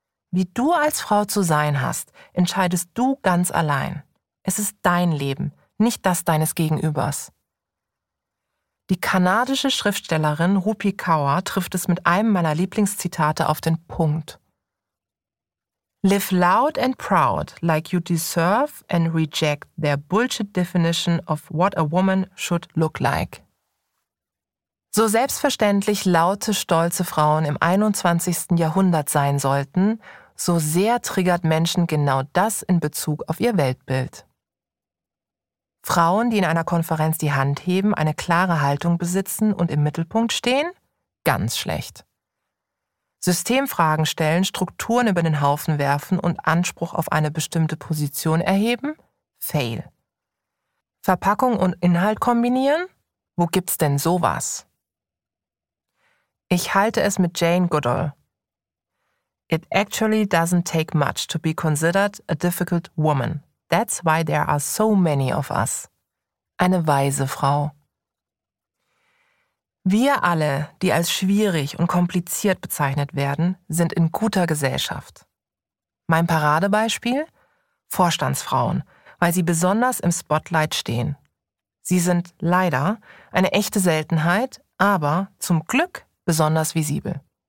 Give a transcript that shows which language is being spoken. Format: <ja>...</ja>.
<de>Wie du als Frau zu sein hast, entscheidest du ganz allein. Es ist dein Leben, nicht das deines Gegenübers. Die kanadische Schriftstellerin Rupi Kaur trifft es mit einem meiner Lieblingszitate auf den Punkt.</de> <en>Live loud and proud, like you deserve, and reject their bullshit definition of what a woman should look like.</en> <de>So selbstverständlich laute, stolze Frauen im 21. Jahrhundert sein sollten, so sehr triggert Menschen genau das in Bezug auf ihr Weltbild. Frauen, die in einer Konferenz die Hand heben, eine klare Haltung besitzen und im Mittelpunkt stehen? Ganz schlecht. Systemfragen stellen, Strukturen über den Haufen werfen und Anspruch auf eine bestimmte Position erheben? Fail. Verpackung und Inhalt kombinieren? Wo gibt's denn sowas? Ich halte es mit Jane Goodall.</de> <en>It actually doesn't take much to be considered a difficult woman. That's why there are so many of us.</en> <de>Eine weise Frau. Wir alle, die als schwierig und kompliziert bezeichnet werden, sind in guter Gesellschaft. Mein Paradebeispiel? Vorstandsfrauen, weil sie besonders im Spotlight stehen. Sie sind leider eine echte Seltenheit, aber zum Glück besonders visibel.</de>